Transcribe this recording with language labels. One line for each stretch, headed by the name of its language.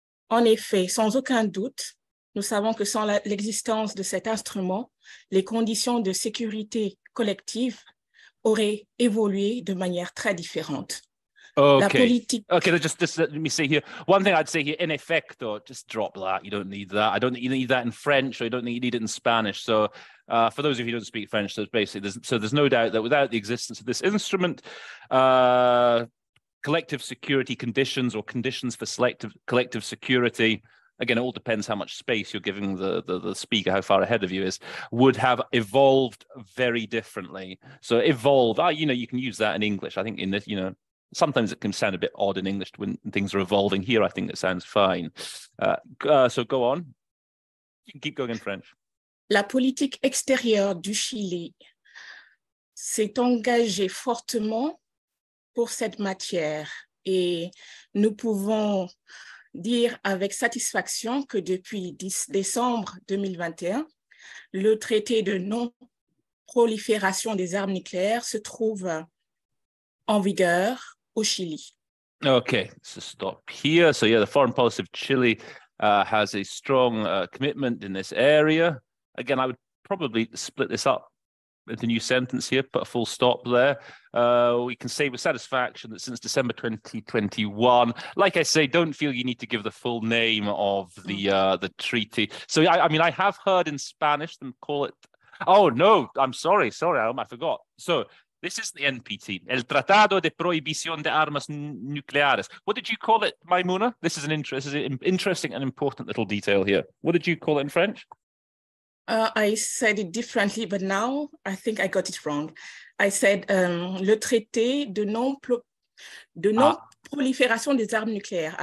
French: En effet, sans aucun doute, nous savons que sans l'existence de cet instrument, les conditions de sécurité collective auraient évolué de manière très différente.
English: Okay. Let me say here. One thing I'd say here, in effect, or just drop that. You don't need that. I don't need that in French, or you need it in Spanish. So for those of you who don't speak French, there's no doubt that without the existence of this instrument, collective security conditions or conditions for selective collective security, again, it all depends how much space you're giving the speaker, how far ahead of you is, would have evolved very differently. So evolved, you know, you can use that in English. I think in this, you know, sometimes it can sound a bit odd in English when things are evolving. Here, I think it sounds fine. So go on. You can keep going in French.
French: La politique extérieure du Chili s'est engagée fortement pour cette matière. Et nous pouvons dire avec satisfaction que depuis 10 décembre 2021, le traité de non-prolifération des armes nucléaires se trouve en vigueur au Chili.
English: Okay, so stop here. So yeah, the foreign policy of Chile has a strong commitment in this area. Again, I would probably split this up the new sentence here, put a full stop there. We can say with satisfaction that since December 2021, like I say, don't feel you need to give the full name of the treaty. So, I mean, I have heard in Spanish them call it... Oh, no, I'm sorry. Sorry, I forgot. So this is the NPT,
Spanish: El Tratado de Prohibición de Armas Nucleares.
English: What did you call it, Maimuna? This is an interesting and important little detail here. What did you call it in French? I said it differently, but now I think I got it wrong. I said
French: le traité de non-prolifération des armes nucléaires.